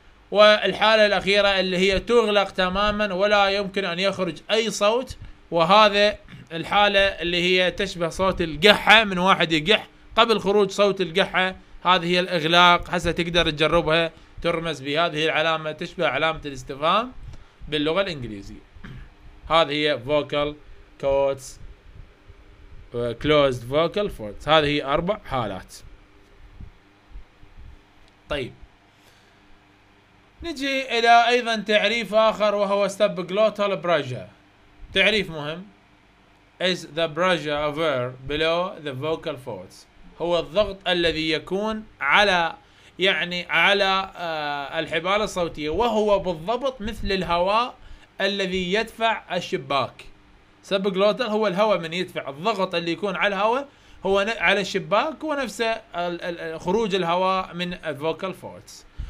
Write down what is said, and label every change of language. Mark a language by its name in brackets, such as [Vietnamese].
[Arabic] والحالة الأخيرة اللي هي تغلق تماما ولا يمكن أن يخرج أي صوت، وهذا الحالة اللي هي تشبه صوت القحة من واحد يقح قبل خروج صوت القحة، هذه هي الإغلاق. هسه تقدر تجربها، ترمز بهذه العلامة تشبه علامة الاستفهام باللغة الإنجليزية. هذه هي [English] vocal codes closed vocal folds، [Arabic] هذه 4 حالات. طيب نجي الى ايضا تعريف اخر وهو subglottal pressure، تعريف مهم. [English] is the pressure of air below the vocal folds. [Arabic] هو الضغط الذي يكون على يعني على الحبال الصوتية, وهو بالضبط مثل الهواء الذي يدفع الشباك. subglottal هو الهواء من يدفع الضغط اللي يكون على الهواء هو على الشباك, ونفسه خروج الهواء من vocal folds.